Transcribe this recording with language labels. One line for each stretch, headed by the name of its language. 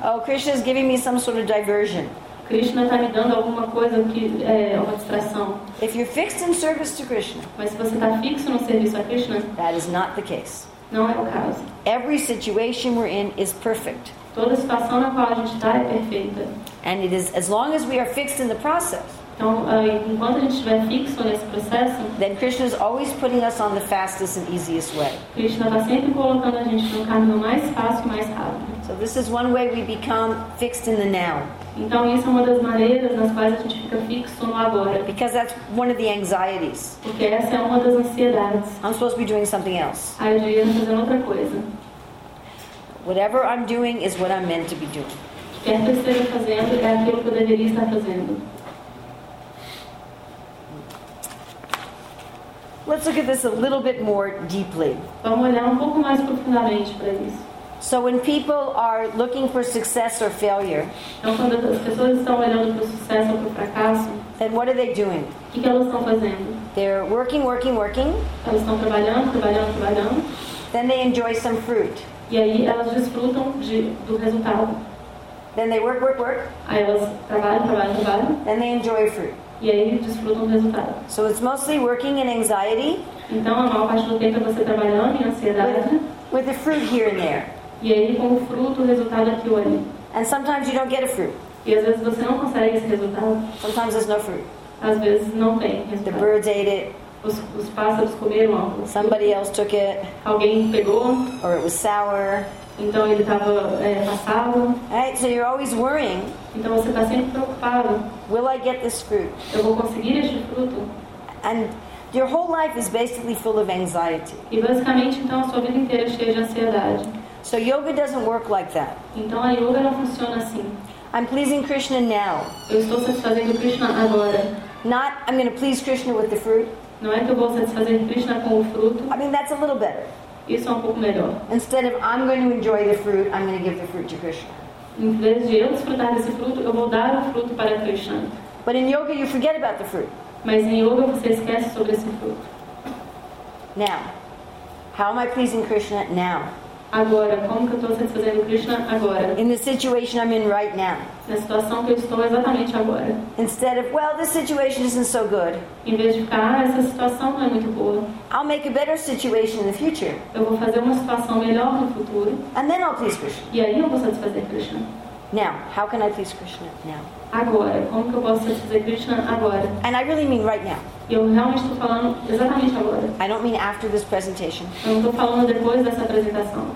English: Oh, Krishna is giving me some sort of diversion.
Portuguese: Krishna está me dando alguma coisa que é uma distração.
English: If you're fixed in service to Krishna.
Portuguese: Mas se você está fixo no serviço a Krishna.
English: That is not the case.
Portuguese: Não é o caso.
English: Every situation we're in is perfect.
Portuguese: Toda situação na qual a gente está é perfeita.
English: And it is as long as we are fixed in the process.
Portuguese: Então, enquanto a gente estiver fixo nesse processo,
English: then Krishna is always putting us on the fastest and easiest way.
Portuguese: Krishna está sempre colocando a gente no caminho mais fácil e mais rápido.
English: So this is one way we become fixed in the now.
Portuguese: Então isso é uma das maneiras nas quais a gente fica fixo no agora.
English: Because that's one of the anxieties.
Portuguese: Porque essa é uma das ansiedades.
English: I'm supposed to be doing something else.
Portuguese: Aí eu devia fazer outra coisa.
English: Whatever I'm doing is what I'm meant to be doing.
Portuguese: Quer que eu esteja fazendo é aquilo que eu deveria estar fazendo.
English: Let's look at this a little bit more deeply.
Portuguese: Vamos olhar um pouco mais profundamente para isso.
English: So when people are looking for success or failure,
Portuguese: então, quando as pessoas estão olhando para o sucesso ou para o fracasso,
English: then what are they doing?
Portuguese: Que elas estão fazendo?
English: They're working, working, working.
Portuguese: Elas estão trabalhando, trabalhando, trabalhando.
English: Then they enjoy some fruit.
Portuguese: E aí elas desfrutam do resultado.
English: Then they work, work, work.
Portuguese: Aí elas trabalham, trabalham, trabalham.
English: Then they enjoy fruit.
Portuguese: E aí desfrutam do resultado.
English: So it's mostly working in anxiety.
Portuguese: Então a maior parte do tempo é você trabalhando em ansiedade.
English: With the fruit here and there.
Portuguese: E aí com o fruto, o resultado aqui ou ali.
English: And sometimes you don't get a fruit.
Portuguese: E às vezes você não consegue esse resultado.
English: Sometimes there's no fruit.
Portuguese: Às vezes não tem resultado.
English: The birds ate it.
Portuguese: Os pássaros comeram algo.
English: Somebody else took it.
Portuguese: Alguém pegou.
English: Or it was sour.
Portuguese: Então ele estava passado.
English: Right, so you're always worrying.
Portuguese: Então você está sempre preocupado.
English: Will I get this fruit?
Portuguese: Eu vou conseguir este fruto?
English: And your whole life is basically full of anxiety.
Portuguese: E basicamente então a sua vida inteira é cheia de ansiedade.
English: So yoga doesn't work like that.
Portuguese: Então a yoga não funciona assim.
English: I'm pleasing Krishna now.
Portuguese: Eu estou satisfazendo Krishna agora.
English: Not I'm going to please Krishna with the fruit.
Portuguese: Não é que eu vou satisfazer Krishna com o fruto.
English: I mean that's a little better.
Portuguese: Isso é um pouco melhor.
English: Instead of I'm going to enjoy the fruit, I'm going to give the fruit to Krishna.
Portuguese: Em vez de eu desfrutar desse fruto, eu vou dar o fruto para Krishna.
English: But in yoga you forget about the fruit.
Portuguese: Mas em yoga você esquece sobre esse fruto.
English: Now, how am I pleasing Krishna now?
Portuguese: Agora, como que eu estou satisfazendo Krishna agora?
English: In the situation I'm in right now.
Portuguese: Na situação que eu estou exatamente agora.
English: Instead of, well, this situation isn't so good.
Portuguese: Em vez de ficar, essa situação não é muito boa.
English: I'll make a better situation in the future.
Portuguese: Eu vou fazer uma situação melhor no futuro.
English: And then I'll please Krishna.
Portuguese: E aí eu vou satisfazer Krishna.
English: Now, how can I please Krishna now?
Portuguese: Agora, como que eu posso satisfazer Krishna agora?
English: And I really mean right now.
Portuguese: Eu realmente estou falando exatamente agora.
English: I don't mean after this presentation.
Portuguese: Eu não estou falando depois dessa apresentação.